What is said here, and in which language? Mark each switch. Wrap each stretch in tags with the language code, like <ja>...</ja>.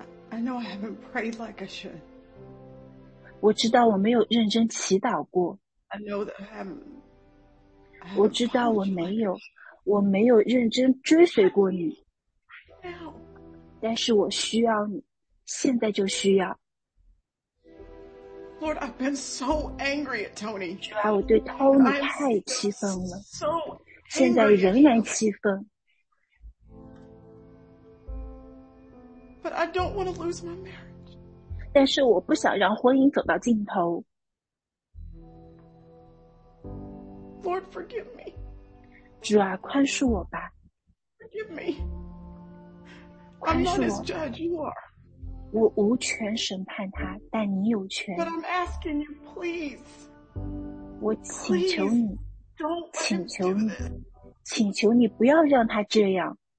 <en>I know I haven't prayed like I should.</en> <zh>我知道我没有认真祈祷过。</zh> <en>I know that I haven't.</en> <zh>我知道我没有，我没有认真追随过你，但是我需要你，现在就需要。</zh> <en>Lord, I've been so angry at Tony.</en> <zh>主啊，我对 Tony 太气愤了，</zh> <en>so</en> <zh>现在仍然气愤。</zh> <en>But I don't want to lose my marriage.</en> <zh>但是我不想让婚姻走到尽头。</zh> <en>Lord, forgive me.</en> <zh>主啊，宽恕我吧。</zh> <en>Forgive me. I'm not his judge. You are.</en> <zh>我无权审判他，但你有权。</zh> <en>But I'm asking you, please,</en> <zh>我请求你，</zh> <en>please, don't</en> <zh>请求你，请求你不要让他这样。</zh>